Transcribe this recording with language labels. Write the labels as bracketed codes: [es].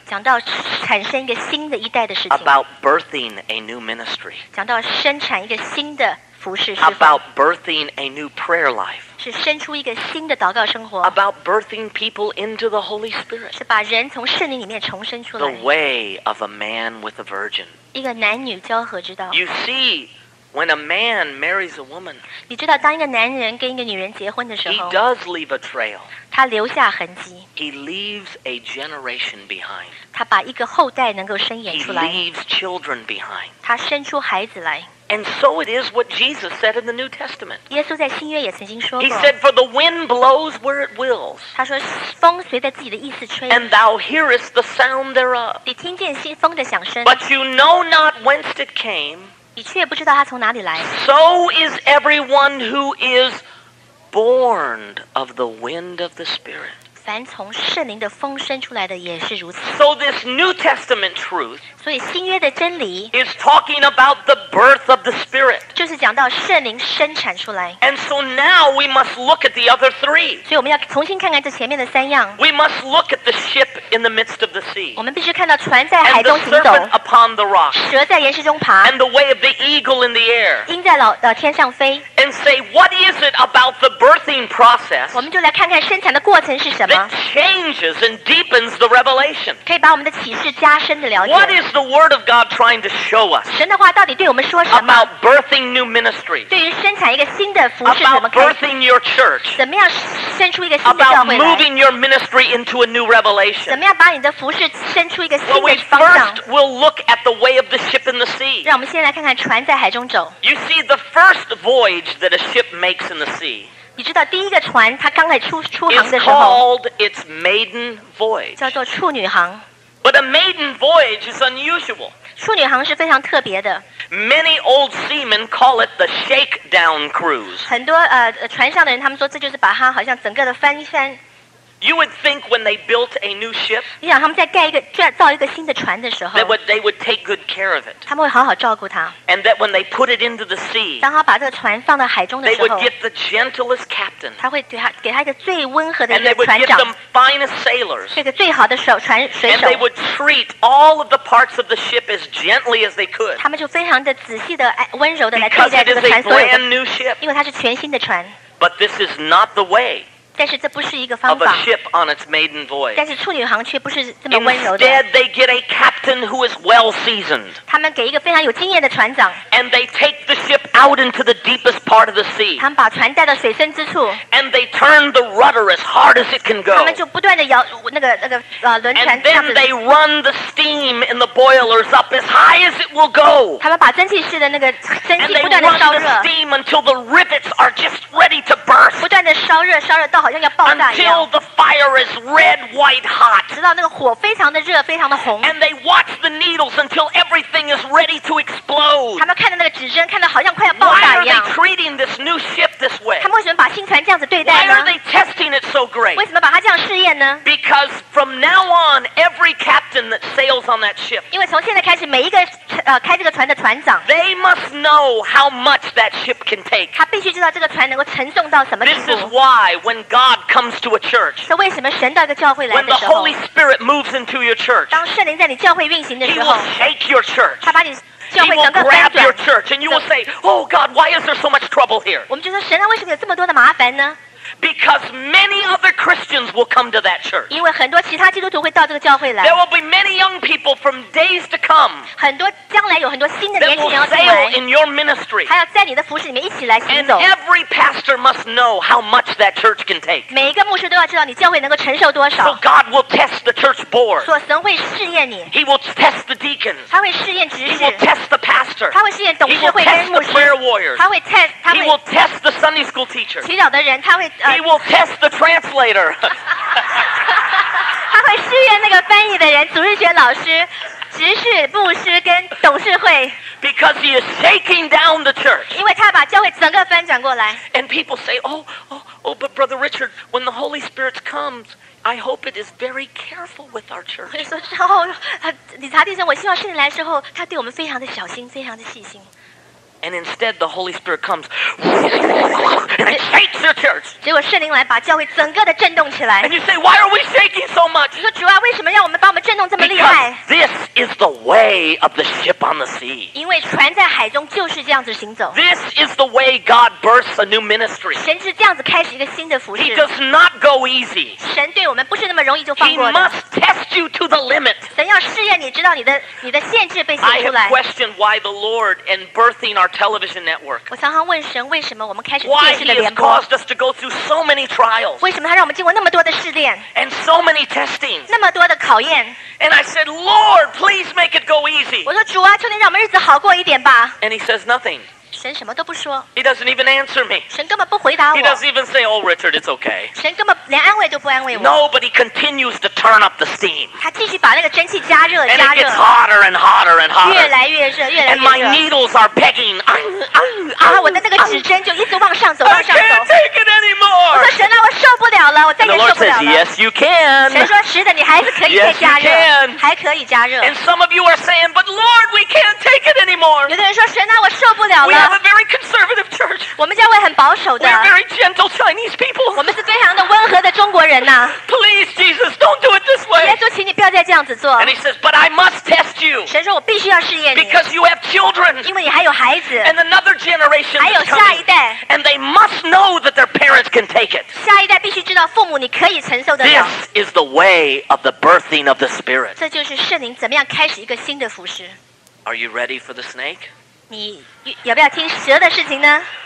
[zh] 讲到产生一个新的一代的事情。 [en] About birthing a new ministry. [zh] 讲到生产一个新的服事。 [en] About birthing a new prayer life. [zh] 是生出一个新的祷告生活。 [en] About birthing people into the Holy Spirit. [zh] 是把人从圣灵里面重生出来。 [en] The way of a man with a virgin. [zh] 一个男女交合之道。 [en] You see,When a man marries a woman, [zh] 你知道当一个男人跟一个女人结婚的时候 [en] he does leave a trail. [zh] 他留下痕迹 [en] he leaves a generation behind. [zh] 他把一个后代能够伸延出来 [en] he leaves children behind. [zh] 他生出孩子来 [en] and so it is what Jesus said in the New Testament. [zh] 耶稣在新约也曾经说过 [en] he said, "For the wind blows where it wills." [zh] 他说风随着自己的意思吹 [en] and thou hearest the sound thereof. [zh] 你听见风的响声 [en] but you know not whence it came. [zh] 你却不知道他从哪里来。 [en] So is everyone who is born of the wind of the Spirit. [zh] 凡从圣灵的风生出来的也是如此。 [en] So this New Testament truth, [zh] 所以新约的真理 [en] is talking about the birth of the Spirit. [zh] 就是讲到圣灵生产出来。 [en] And so now we must look at the other three. [zh] 所以我们要重新看看这前面的三样。 [en] We must look at the ship in the midst of the sea. [zh] 我们必须看到船在海中行走。 [en] And the serpent upon the rock. [zh] 蛇在岩石中爬。 [en] And the way of the eagle in the air. [zh] 鹰在天上飞。 [en] And say, what is it about the birthing process? [zh] 我们就来看看生产的过程是什么。 [en] That changes and deepens the revelation. [zh] 可以把我们的启示加深的了解。 [en] What is the word of God trying to show us? [zh] 神的话到底对我们说什么？ [en] About birthing new ministries. [zh] 对于生产一个新的服事怎么开始？ [en] About birthing your church. [zh] 怎么样生出一个新的教会来？ [en] About moving your ministry into a new revelation. [zh] 怎么样把你的服事生出一个新的方向？ [en] Well, we first will look at the way of the ship in the sea. [zh] 让我们先来看看船在海中走。 [en] You see, the first voyage that a ship makes in the sea. [zh] 你知道第一个船它刚才 出航的时候 [en] is called its maiden voyage. [zh] 叫做处女航。 [en] But a maiden voyage is unusual. [zh] 处女航是非常特别的。 [en] Many old seamen call it the shakedown cruise. [zh] 很多船上的人他们说这就是把它好像整个的翻一翻。 [en] You would think when they built a new ship, [zh] 你想他们在盖一个造一个新的船的时候 [en] they would take good care of it. [zh] 他们会好好照顾它。 [en] And that when they put it into the sea, [zh] 当他把这个船放到海中的时候 [en] they would get the gentlest captain. [zh] 他会给他一个最温和的一个船长。 [en] And they would get the finest sailors. [zh] 这个最好的水手。 [en] And they would treat all of the parts of the ship as gently as they could. [zh] 他们就非常的仔细的温柔的来对待这个船所有的。 [en] Because it is a brand new ship. [zh] 因为它是全新的船。 [en] But this is not the way. [zh] 但是这不是一个方法。 [en] Of a ship on its maiden voyage. [zh] 但是处女航却不是这么温柔的。 [en] Instead, they get a captain who is well seasoned. [zh] 他们给一个非常有经验的船长。 [en] And they take the ship out into the deepest part of the sea. [zh] 他们把船带到水深之处。 [en] And they turn the rudder as hard as it can go. [zh] 他们就不断的摇那个轮船。 [en] And then they run the steam in the boilers up as high as it will go. [zh] 他们把蒸汽室的那个蒸汽不断的烧热。 [en] And they run the steam until the rivets are just ready to burst. [zh] 不断的烧热到。 [en] Until the fire is red, white hot. [zh] 直到那个火非常的热，非常的红。 [en] And they watch the needles until everything is ready to explode. [zh] 他们看着那个指针，看着好像快要爆炸一样。 [en] Why are they treating this new ship this way? [zh] 他们为什么把新船这样子对待呢？ [en] Why are they testing it so great? [zh] 为什么把它这样试验呢？ [en] Because from now on, every captain that sails on that ship. [zh] 因为从现在开始，每一个开这个船的船长。 [en] They must know how much that ship can take. [zh] 他必须知道这个船能够承重到什么地步。 [en] This is why when God comes to a church. [zh] 那为什么神到一个教会来的时候 [en] ？When the Holy Spirit moves into your church. [zh] 当圣灵在你教会运行的时候 [en] ，He will shake your church. [zh] 他把你教会整个翻转。 [en] He will grab your church, and you will say, "Oh God, why is there so much trouble here?" [zh] 我们就说神啊，为什么有这么多的麻烦呢？ [en] Because many other Christians will come to that church. [zh] 因为很多其他基督徒会到这个教会来。 [en] There will be many young people from days to come. [zh] 很多将来有很多新的年轻人要进来。 [en] That will sail in your ministry. [zh] 还要在你的服事里面一起来行走。 [en] And every pastor must know how much that church can take. [zh] 每一个牧师都要知道你教会能够承受多少。 [en] So God will test the church board. [zh] 所以神会试验你。 [en] He will test the deacons. [zh] 他会试验执事。 [en] He will test the pastor. [zh] 他会试验董事会跟牧师。 [en] He will test the prayer warriors. [zh] 他会 test 他会。 [en] He will test the Sunday school teacher. [zh] 祈祷的人他会。 [en] He will test the translator. [zh] 他会试验那个翻译的人，主日学老师、执事、牧师跟董事会。 [en] Because he is shaking down the church. [zh] 因为他把教会整个翻转过来。 [en] And people say, oh, but Brother Richard, when the Holy Spirit comes, I hope it is very careful with our church. [zh] 所以说，理查弟兄，我希望圣灵来的时候，他对我们非常的小心，非常的细心。 [en] And instead, the Holy Spirit comes and it shakes your church. [zh] 结果圣灵来把教会整个的震动起来。 [en] And you say, why are we shaking so much? [zh] 你说主啊，为什么让我们把我们震动这么厉害？ [en] Because this is the way of the ship on the sea. [zh] 因为船在海中就是这样子行走。 [en] This is the way God births a new ministry. [zh] 神是这样子开始一个新的服事。 [en] He does not go easy. [zh] 神对我们不是那么容易就放过的。 [en] He must test you to the limit. [zh] 神要试验你，知道你的限制被写出来。 [en] I have questioned why the Lord in birthing our television network. [zh] 我常常问神为什么我们开始电视的联播。 [en] Why he has caused us to go through so many trials? [zh] 为什么他让我们经过那么多的试炼 [en] ？And so many testing. [zh] 那么多的考验。 [en] And I said, Lord, please make it go easy. [zh] 我说主啊，求你让我们日子好过一点吧。 [en] And he says nothing. [zh] 神什么都不说。 [en] He doesn't even answer me. [zh] 神根本不回答我。 [en] He doesn't even say, Oh, Richard, it's okay. [zh] 神根本连安慰都不安慰我。 [en] No, but he continues to turn up the steam. [zh] 他继续把那个蒸汽加热。 [en] And it gets hotter and hotter and hotter. [zh] 越来越热，越来越热。 [en] And my needles are pegging. [zh] 我的那个指针就一直往上走，往上走。 [en] I can't take it anymore. [zh] 我说神啊，我受不了了，我再也受不了了。 [en] And the Lord says, [zh] 了。 [en] Yes, you can. [zh] 神说是的，你还是可以再加热。 [en] Yes, you can. [zh] 还可以加热。 [en] And some of you are saying, "But Lord, we can't take it anymore." [zh] 有的人说，神呐，我受不了了。 [en] We have a very conservative church. [zh] 我们教会很保守的。 [en] We're very gentle Chinese people. [zh] 我们是非常的温和的中国人呐。 [en] Please, Jesus, don't do it this way. [zh] 耶稣，请你不要再这样子做。 [en] And he says, "But I must test you." [zh] 神说，我必须要试验你。 [en] Because you have children. [zh] 因为你还有孩子。 [en] And another generation. [zh] 还有下一代。 [en] And they must know that their parents can take it. [zh] 下一代必须知道父母你可以承受得了。 [en] This is the way of the birthing of the Spirit. [zh] 这就是圣灵怎么样开始一个新的服事。 [en] Are you ready for the snake? [zh] 你要不要听蛇的事情呢？